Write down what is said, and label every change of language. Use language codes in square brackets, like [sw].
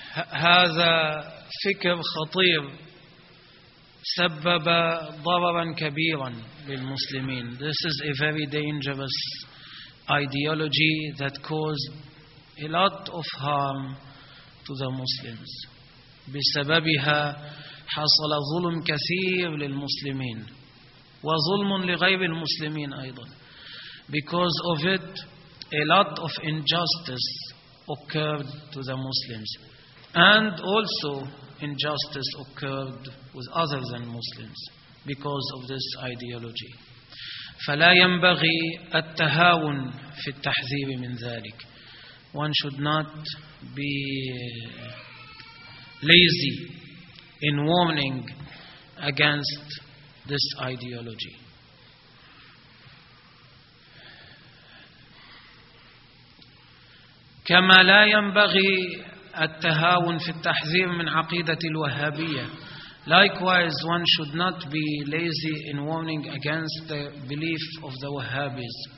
[ar] هذا فكر خطير سبب ضررا كبيرا للمسلمين. [en] This is a very dangerous ideology that caused a lot of harm to the Muslims. [ar] بسببها حصل ظلم كثير للمسلمين وظلم لغير المسلمين أيضا. [en] Because of it, a lot of injustice occurred to the Muslims, and also injustice occurred with other than Muslims because of this ideology. [ar] فلا ينبغي التهاون في التحذير من ذلك. [en] One should not be lazy in warning against this ideology. [ar] كما لا ينبغي التهاون في التحذير من عقيدة الوهابية. [en] Likewise, one should not be lazy in warning against the belief of the Wahhabis.